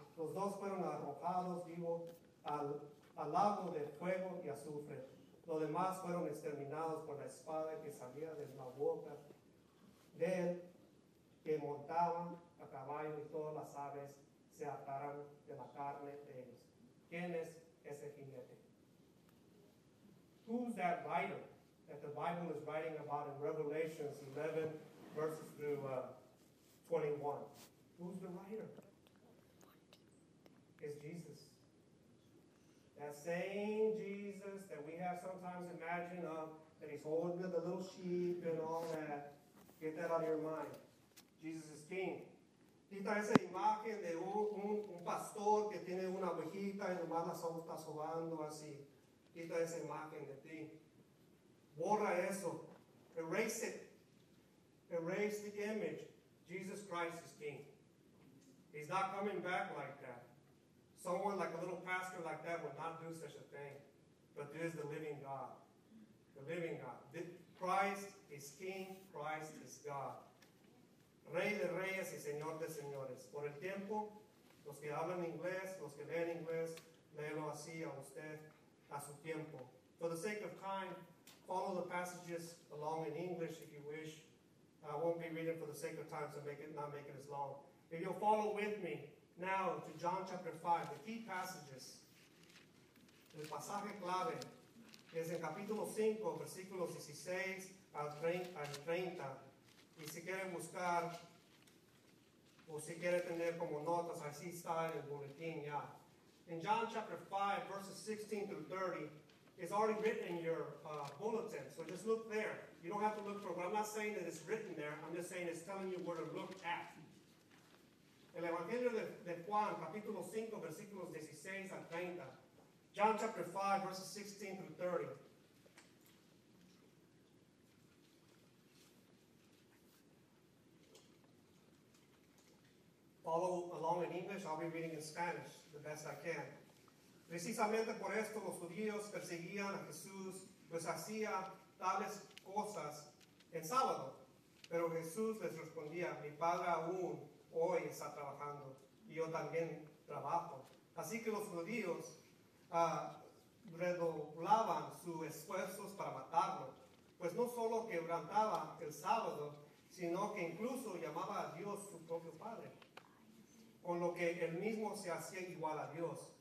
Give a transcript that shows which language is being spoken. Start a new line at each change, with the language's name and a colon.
Spanish: Los dos fueron arrojados vivos al lago de fuego y azufre. Los demás fueron exterminados por la espada que salía de la boca de él, que montaban a caballo, y todas las aves se ataron de la carne de ellos. ¿Quién es ese jinete?
English: Who's that writer that the Bible is writing about in Revelation 11, verses through 21? Who's the writer? It's Jesus. That same Jesus that we have sometimes imagined of, that he's holding the little sheep and all that. Get that out of your mind. Jesus is king.
Spanish: Quita esa imagen de un pastor que tiene una ovejita y nomás la está sobando así. Quita esa imagen de ti. Borra eso.
English: Erase it. Erase the image. Jesus Christ is king. He's not coming back like that. Someone like a little pastor like that would not do such a thing. But there is the living God. The living God. Christ is king. Christ is God.
Spanish: Rey de reyes y señor de señores. Por el tiempo, los que hablan inglés, los que leen inglés, léelo así a usted, a su tiempo.
English: For the sake of time, follow the passages along in English if you wish. I won't be reading for the sake of time, so not make it as long. If you'll follow with me now to John chapter 5, the key passages.
Spanish: El pasaje clave es en capítulo 5, versículos 16 al 30. Y si quiere buscar, o si quiere tener como notas, así está en el boletín ya.
English: Yeah. In John chapter 5, verses 16 through 30, it's already written in your bulletin. So just look there. You don't have to look for it. I'm not saying that it's written there. I'm just saying it's telling you where to look at.
Spanish: El Evangelio de Juan, capítulo 5, versículos 16 al 30.
English: John chapter 5, verses 16 through 30. Follow along in English, I'll be reading in Spanish the best I can.
Spanish: Precisamente por esto los judíos perseguían a Jesús, pues hacía tales cosas en sábado. Pero Jesús les respondía, mi padre aún hoy está trabajando, y yo también trabajo. Así que los judíos redoblaban sus esfuerzos para matarlo, pues no solo quebrantaba el sábado, sino que incluso llamaba a Dios su propio padre, con lo que él mismo se hacía igual a Dios.